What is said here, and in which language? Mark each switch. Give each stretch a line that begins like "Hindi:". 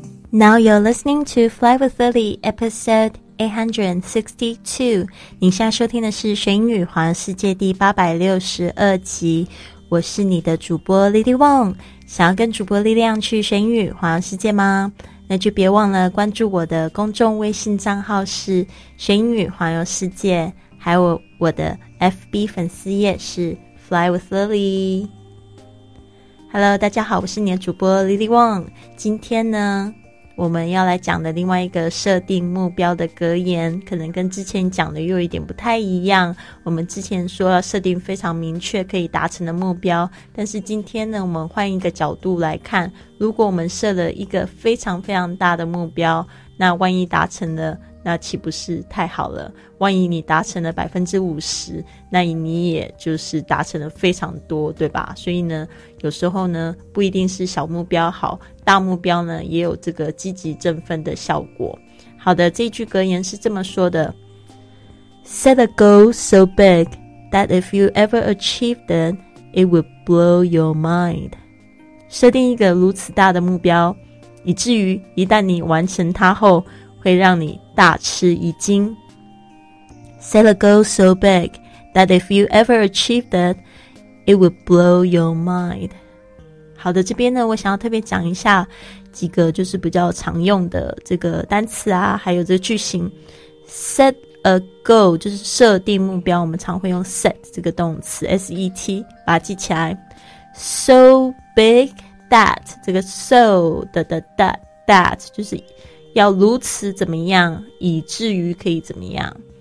English: Now you're listening to Fly with Lily, episode 862.
Chinese: 你现在收听的是《学英语环游世界》第862集。我是你的主播 Lily Wong。想要跟主播力量去学英语环游世界吗？那就别忘了关注我的公众微信账号是《学英语环游世界》，还有我的 FB 粉丝页是 Fly with Lily。
English: Hello，
Chinese: 大家好，我是你的主播 Lily Wong。今天呢？我们要来讲的另外一个设定目标的格言，可能跟之前讲的又一点不太一样。我们之前说要设定非常明确可以达成的目标，但是今天呢，我们换一个角度来看，如果我们设了一个非常非常大的目标，那万一达成了，那岂不是太好了？万一你达成了 50%， 那你也就是达成了非常多，对吧？所以呢，有时候呢，不一定是小目标好，大目标呢也有这个积极振奋的效果。好的，这一句格言是这么说的：
English: Set a goal so big that if you ever achieved it, it would blow your mind.
Chinese: 设定一个如此大的目标，以至于一旦你完成它后，会让你大吃一惊。
English: Set a goal so big that if you ever achieved it, it would blow your mind.
Chinese: 好的，这边呢，我想要特别讲一下几个就是比较常用的这个单词啊，还有这个句型。
English: Set a goal
Chinese: 就是设定目标，我们常会用 set 这个动词 ,S-E-T, 把它记起来。
English: So big that,
Chinese: 这个 so, that, 就是要如此怎么样，以至于可以怎么样。